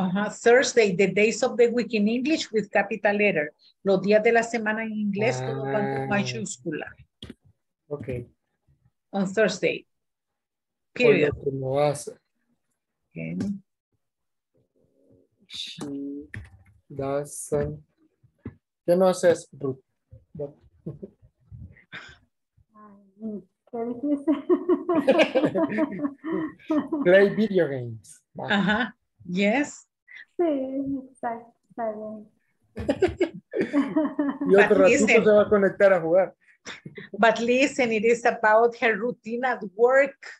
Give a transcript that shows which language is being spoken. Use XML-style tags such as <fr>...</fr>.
<en>Thursday, the days of the week in English with capital letter.</en> <es>Los días de la semana en inglés todo con mayúscula. Okay.</es> <en>On Thursday. period.</en> <es>Hola, ¿cómo vas?</es> <en>She doesn't.</en> <es>¿Qué no haces, Ruth? ¿Qué dices?</es> <en>Play video games. Ajá. Yes.</en> <es>Sí, está bien. Y otro ratito se va a conectar a jugar.</es> <en>But listen, it is about her routine at work.</en>